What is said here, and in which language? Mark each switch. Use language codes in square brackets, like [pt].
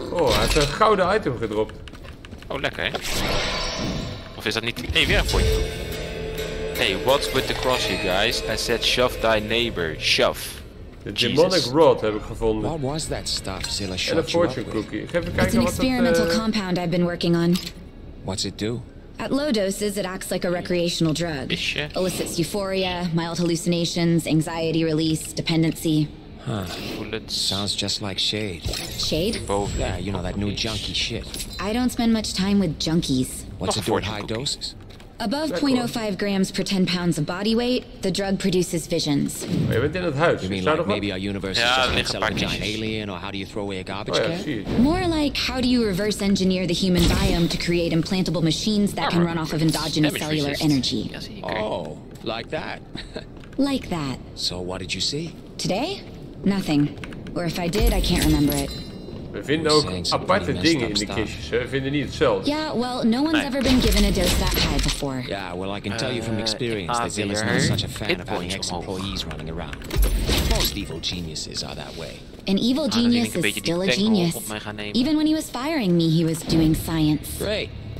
[nl] Oh, hij heeft een gouden item gedropt. Oh, lekker, hè? Of is dat niet... Hey, weer een point. [en] Hey, what's with the cross, you guys? I said shove thy neighbor. Shove. [nl] De demonic rod heb ik gevonden. [en] What was that stuff Zilla shot? [nl] En een fortune cookie. Ik ga even kijken wat het. [en] Experimental compound I've been working on. What's it do? At low doses, it acts like a recreational drug. Elicits euphoria, mild hallucinations, anxiety release, dependency. Huh. Sounds just like Shade. Shade? Both. Yeah, you know that new junkie shit. I don't spend much time with junkies. What's it do at high doses? Above 0.05 grams per 10 pounds of body weight, the drug produces visions. [nl] Je bent in het huis. [en] You mean like maybe our universe is just a giant alien, or how do you throw away a garbage can? More like how do you reverse engineer the human biome to create implantable machines that can run off of endogenous cellular energy? Oh, like that. Like that. So what did you see? Today? Nothing. Or if I did, I can't remember it. [nl] We vinden ook aparte dingen in de kistjes. We vinden niet hetzelfde. [en] Yeah, well, no one's ever been given a dose that high before. Yeah, well, I can tell you from experience that Zilla's not such a fan of having ex-employees running around. Most evil geniuses are that way. An evil genius is still a genius. Even when he was firing me, he was doing science. Great.